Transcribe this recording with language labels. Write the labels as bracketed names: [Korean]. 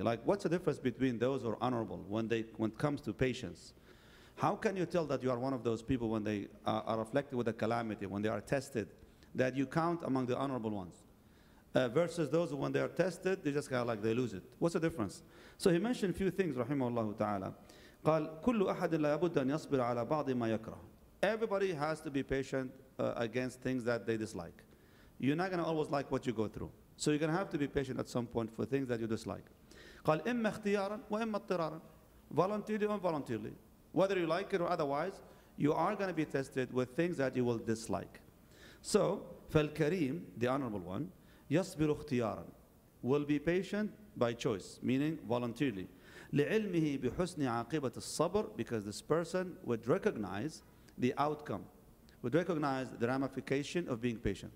[English] Like, what's the difference between those who are honorable when it comes to patience? How can you tell that you are one of those people when they are afflicted with a calamity, when they are tested, that you count among the honorable ones? Versus those who, when they are tested, they just kind of like they lose it. What's the difference? So he mentioned a few things, rahimahullah ta'ala. [Arabic] قال كل أحد لا بد أن يصبر على بعض ما يكره. [English] Everybody has to be patient against things that they dislike. You're not going to always like what you go through. So you're going to have to be patient at some point for things that you dislike. [Arabic] قال إما اختيارا وإما اضطرارا. [English] Voluntarily or involuntarily. Whether you like it or otherwise, you are going to be tested with things that you will dislike. So, [Arabic] فالكريم, [English] the honorable one, [Arabic] يصبر اختيارا, [English] will be patient by choice, meaning voluntarily. [Arabic] لعلمه بحسن عاقبة الصبر, [English] because this person would recognize the outcome, would recognize the ramification of being patient.